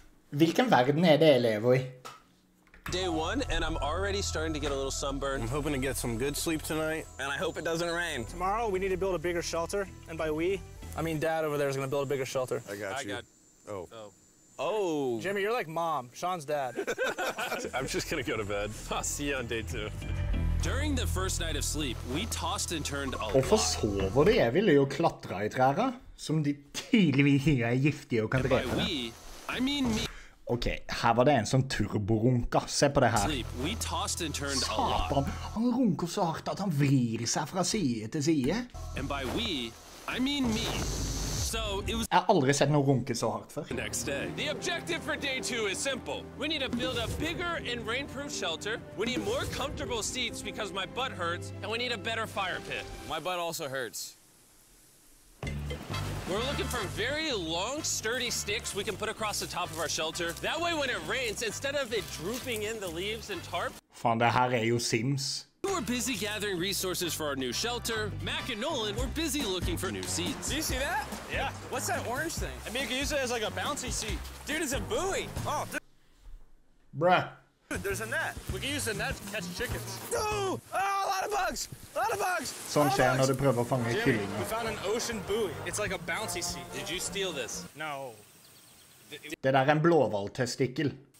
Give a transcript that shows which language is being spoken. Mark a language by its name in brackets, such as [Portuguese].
[Norwegian] Hvilken verden det jeg lever I? [English] Day one, and I'm already starting to get a little sunburned. I'm hoping to get some good sleep tonight, and I hope it doesn't rain. Tomorrow, we need to build a bigger shelter, and by we, I mean Dad over there is going to build a bigger shelter. I got you. Jimmy, you're like Mom. Sean's Dad. I'm just going to go to bed. I'll see you on day two. During the first night of sleep, we tossed and turned a lot. [Norwegian] Hvorfor sover de? Jeg ville jo klatre I trærne, som de tydeligvis ikke giftige og kan drepe. [English] And by we, I mean me. [Norwegian] Ok, her var det en som turborunka. Se på det her. Satan, han runker så hardt at han vrir seg fra side til side. [English] And by we, I mean me. So it was... [Norwegian] Jeg har aldri sett noen runke så hardt før. [English] Next day. The objective for day two is simple. We need to build a bigger and rainproof shelter. We need more comfortable seats because my butt hurts. And we need a better fire pit. My butt also hurts. We're looking for very long, sturdy sticks we can put across the top of our shelter. That way when it rains, instead of it drooping in the leaves and tarp... [Norwegian] Fan, det her jo Sims. [English] We were busy gathering resources for our new shelter. Mac and Nolan were busy looking for new seats. Do you see that? Yeah. What's that orange thing? I mean, you can use it as like a bouncy seat. Dude, it's a buoy. Oh, dude. Bruh. Dude, there's a net. We can use the net to catch chickens. Oh, oh, a lot of bugs! A lot of bugs! [Norwegian] Sånn skjer når du prøver å fange kylling. [English] Jimmy, we found an ocean buoy. It's like a bouncy seat. Did you steal this? No. [Norwegian] Det der en blåvalgtestikkel.